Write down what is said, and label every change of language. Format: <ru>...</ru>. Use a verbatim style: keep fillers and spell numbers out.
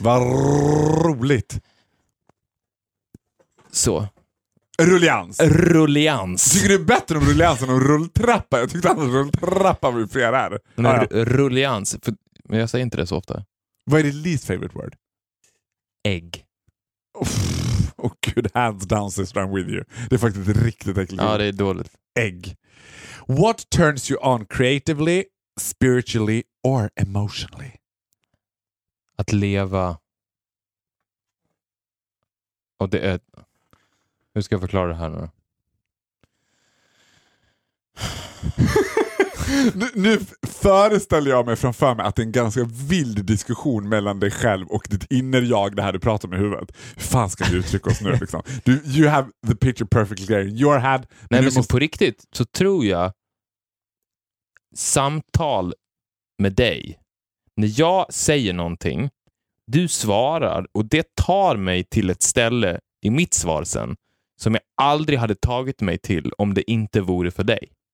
<sv>Vad roligt. Så. Rullians. Rullians. Tycker du är bättre om rullians än om rulltrappa? Jag tyckte annars rulltrappa var ju fler här. Men r- rullians. För, men jag säger inte det så ofta. Vad är ditt</sv> <en>least favorite word?</en> <sv>Ägg.</sv> <en>Åh oh, gud, hands down sister, I'm with you.</en> <sv>Det är faktiskt riktigt äckligt. Ja, det är dåligt. Ägg.</sv> <en>What turns you on creatively, spiritually or emotionally?</en> <sv>Att leva. Och det är... Hur ska jag förklara det här nu? nu, nu föreställer jag mig framför mig att det är en ganska vild diskussion mellan dig själv och ditt inner jag, det här du pratar om i huvudet. Hur fan ska du uttrycka oss nu? Liksom?</sv> <en>Du, you have the picture perfectly clear in your head.</en> <sv>Nej, men måste... på riktigt så tror jag samtal med dig. När jag säger någonting, du svarar och det tar mig till ett ställe i mitt svar sen som jag aldrig hade tagit mig till om det inte vore för dig.</sv>